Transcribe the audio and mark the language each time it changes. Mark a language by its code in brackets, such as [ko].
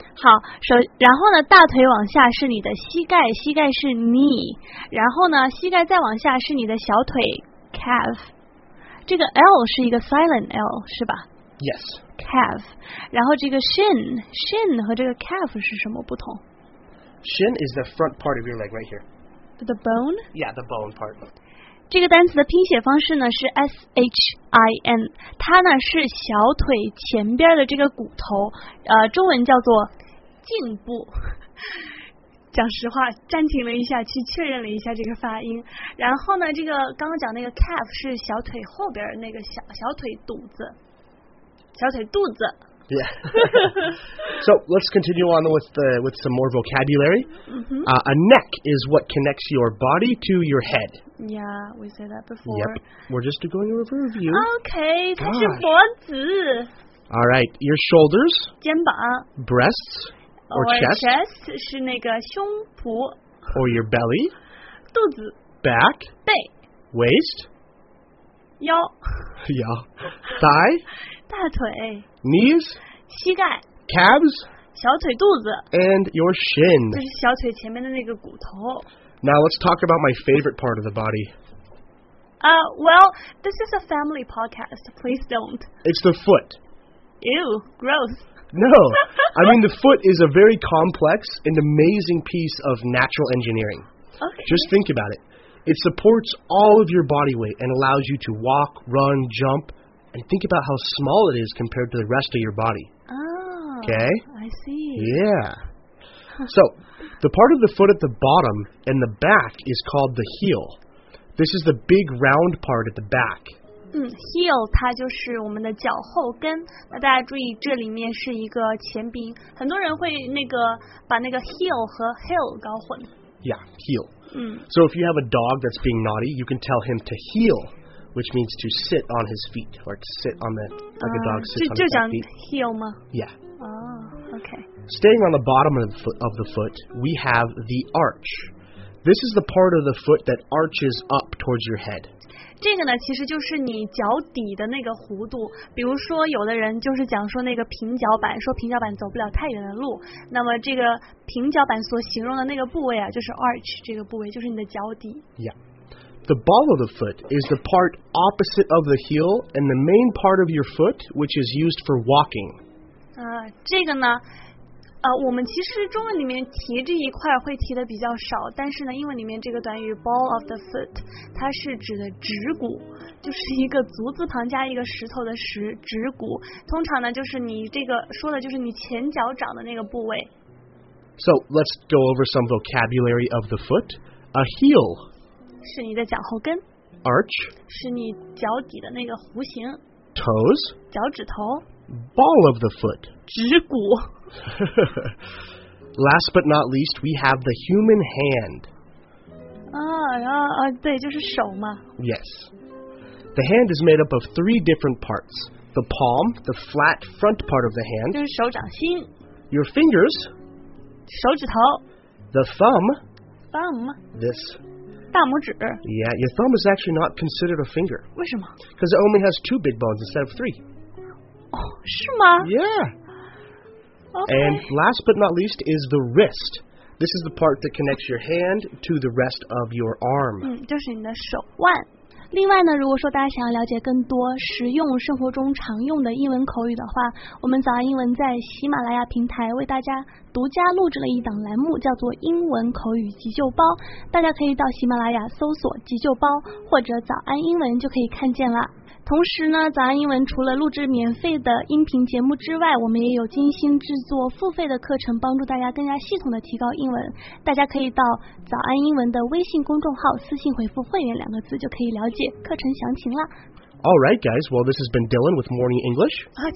[zh] 好，然后呢，大腿往下是你的膝盖，膝盖是 knee， 然后呢，膝盖再往下是你的小腿 calf。这个 L 是一个 silent L 是吧 [en] ？Yes. Calf. [zh] 然后这个 shin 和这个 calf 是什么不同 [en] ？Shin is the front part of your leg, right here. The bone? Yeah, the bone part. [zh] 这个单词的拼写方式呢是 S H I N， 它呢是小腿前边的这个骨头，中文叫做胫部。讲实话暂停了一下去确认了一下这个发音，然后呢这个刚刚讲那个 calf 是小腿后边那个小腿肚子 [en] yeah so let's continue on with some more vocabulary、 mm-hmm. A neck is what connects your body to your head Yeah, we said that before. Yep, we're just going over a view. [zh] Okay, 它是脖子。 [en] All right, your shoulders. [zh] 肩膀。 [en] Breasts or chest. [zh] Chest 是那个胸脯。 [en] Or your belly. [zh] 肚子。 [en] Back. [zh] 背。 [en] Waist. [zh] 腰。腰。Thigh. 大腿。 [en] Knees. [zh] 膝盖。 [en] Calves. [zh] 小腿肚子。 [en] And your shin. [zh] 就是小腿前面的那个骨头。 [en] Now let's talk about my favorite part of the body. Well, this is a family podcast. Please don't. It's the foot. Ew, gross. No, I mean the foot is a very complex and amazing piece of natural engineering. Okay. Just think about it. It supports all of your body weight and allows you to walk, run, jump, and think about how small it is compared to the rest of your body. Oh. Okay? I see. Yeah. So... The part of the foot at the bottom and the back is called the heel. This is the big round part at the back. [zh] Heel, 它就是我们的脚后跟。那大家注意，这里面是一个前鼻音。很多人会那个把那个 heel 和 heel 搞混。 [en] Yeah, heel. So if you have a dog that's being naughty, you can tell him to heel, which means to sit on his feet, or to sit on the, like a dog sits on his feet. [zh] 就讲 heel 吗? [en] Yeah. Oh, okay. Staying on the bottom of the foot, we have the arch. This is the part of the foot that arches up towards your head. [zh] 这个呢，其实就是你脚底的那个弧度。比如说，有的人就是讲说那个平脚板，说平脚板走不了太远的路。那么这个平脚板所形容的那个部位啊，就是 arch 这个部位，就是你的脚底。 [en] Yeah. The ball of the foot is the part opposite of the heel and the main part of your foot, which is used for walking. [zh] 这个呢我们其实中文里面提这一块会提的比较少，但是呢，英文里面这个短语 ball of the foot， 它是指的指骨，就是一个足字旁加一个石头的石，指骨。通常呢，就是你这个说的就是你前脚掌的那个部位。 [en] So let's go over some vocabulary of the foot. A heel [zh] 是你的脚后跟。 [en] Arch [zh] 是你脚底的那个弧形。 [en] Toes [zh] 脚趾头。 [en] Ball of the foot [zh] 指骨。 [en] Last but not least, we have the human hand. [zh] Ah, 就是手嘛。 [en] Yes. The hand is made up of three different parts. The palm, the flat front part of the hand. [zh] 就是手掌心。 [en] Your fingers. [zh] 手指头。 [en] The thumb. Thumb. This. [zh] 大拇指。 [en] Yeah, your thumb is actually not considered a finger. [zh] 为什么? [en] Because it only has two big bones instead of three. Oh, [zh] 是吗? [en] Yeah. Okay. And last but not least is the wrist. This is the part that connects your hand to the rest of your arm. [zh] 就是你的手腕。另外呢，如果说大家想要了解更多实用生活中常用的英文口语的话，我们早安英文在喜马拉雅平台为大家独家录制了一档栏目，叫做英文口语急救包。大家可以到喜马拉雅搜索急救包或者早安英文就可以看见了。同时呢，早安英文除了录制免费的音频节目之外，我们也有精心制作付费的课程，帮助大家更加系统的提高英文。大家可以到早安英文的微信公众号私信回复会员两个字，就可以了解课程详情了。 [en] All right, guys. Well, this has been Dylan with Morning English.